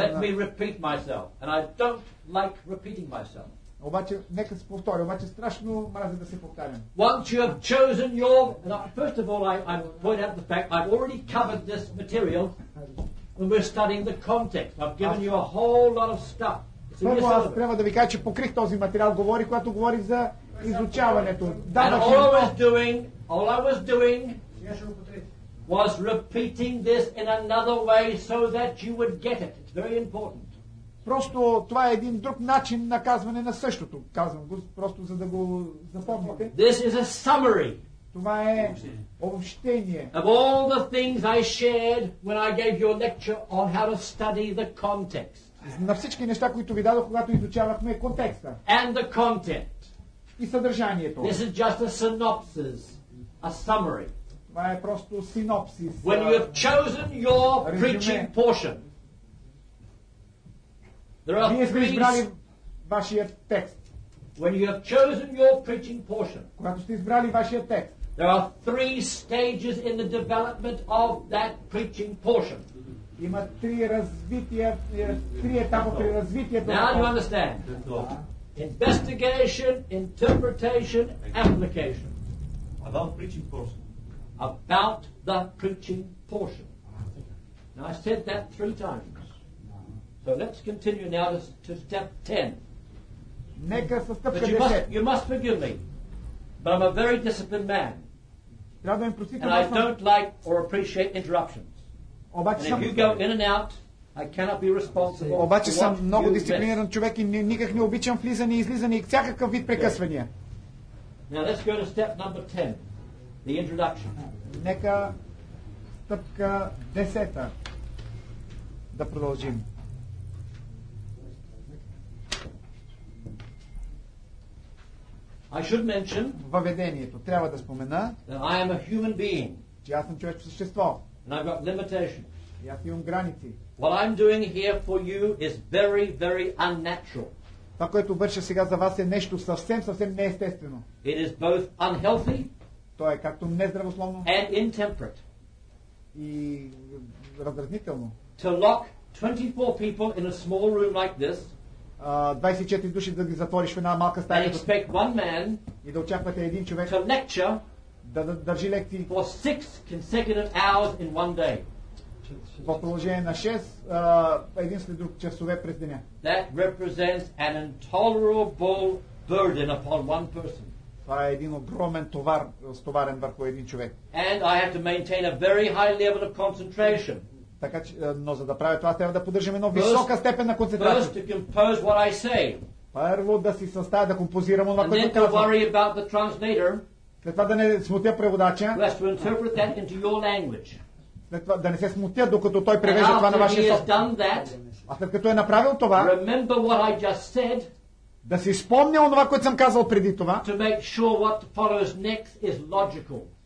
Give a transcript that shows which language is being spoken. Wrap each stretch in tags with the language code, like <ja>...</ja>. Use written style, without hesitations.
<en>Let me repeat myself, and I don't like repeating myself.</en> <bg>Обаче, нека се повторя, обаче страшно мразя да се повтарям.</bg> <en>Once you have chosen your... First of all, I point out the fact I've already covered this material when we're studying the context. I've given you a whole lot of stuff.</en> <bg>Първо аз трябва да ви кажа, че покрих този материал, говори, когато говори за изучаването.</bg> <en>All I was doing was repeating this in another way so that you would get it. It's very important.</en> <bg>Просто това е един друг начин на казване на същото. Казвам го просто за да го запомните.</bg> <en>This is a summary.</en> <bg>Това е обобщение.</bg> <en>Of all the things I shared when I gave your lecture on how to study the context.</en> <bg>На всички неща, които ви дадох, когато изучавахме контекста.</bg> <en>And the content.</en> <bg>И съдържанието.</bg> <en>This is just a synopsis, a summary.</en> <bg>Това е просто синопсис.</bg> <en>When you have chosen your preaching portion. There are three</en> <bg>избрали вашия текст.</bg> <en>When you have chosen your preaching portion.</en> <bg>Когато сте избрали вашия текст.</bg> <en>There are three stages in the development of that preaching portion.</en> <bg>Има три етапа при развитието.</bg> <en>Now you understand. Investigation, interpretation, application. About preaching portion. About the preaching portion. Now I said that three times. So let's continue now to step 10.</en> <bg>Нека със стъпка</bg> <en>10. You must forgive me. But I'm a very disciplined man.</en> <bg>Трябва да ме простите.</bg> <en>And I don't like or appreciate interruptions.</en> <bg>Обаче</bg> <en>and if you go in and out, I cannot be responsible.</en> <bg>Обаче съм много дисциплиниран човек и никак не обичам влизане и излизане и всякакъв вид прекъсвания.</bg> <en>Now let's go to step number 10, the introduction.</en> <bg>Нека стъпка 10-та да продължим.</bg> <en>I should mention.</en> <bg>Въведението трябва да спомена.</bg> <en>That I am a human being.</en> <bg>Че аз съм човешко същество.</bg> <en>And I've got limitations.</en> <bg>И аз имам граници.</bg> <en>What I'm doing here for you is very, very unnatural.</en> <bg>Това, което върша сега за вас е нещо съвсем, съвсем неестествено.</bg> <en>It is both unhealthy.</en> <bg>То е както нездравословно.</bg> <en>And intemperate.</en> <bg>И раздразнително.</bg> <en>To lock 24 people in a small room like this.</en> <bg>24 души да ги затвориш в една малка стая.</bg> <en>And expect one man.</en> <bg>И да очаквате един човек.</bg> <en>To lecture.</en> <bg>Да държи лекции.</bg> <en>For 6 consecutive hours in one day.</en> <bg>В продължение на 6 един след друг часове през деня.</bg> <en>That represents an intolerable burden upon one person.</en> <bg>Това е един огромен товар, стоварен върху един човек.</bg> <en>And I have to maintain a very high level of concentration.</en> <bg>Така че, но за да правя това, трябва да поддържам едно висока степен на концентрация.</bg> <en>First to compose what I say.</en> <bg>Първо да си съставя, да композирам това, което казвам.</bg> <en>And then to worry about the translator.</en> <bg>След това да не смутя преводача.</bg> <en>To interpret that into your language.</en> <bg>След това да не се смутя, докато той превежда това на вашия собствен. А след като е направил това,</bg> <en>remember what I just said,</en> <bg>да си спомня онова, което съм казал преди това,</bg> <en>to make sure what follows next is logical.</en>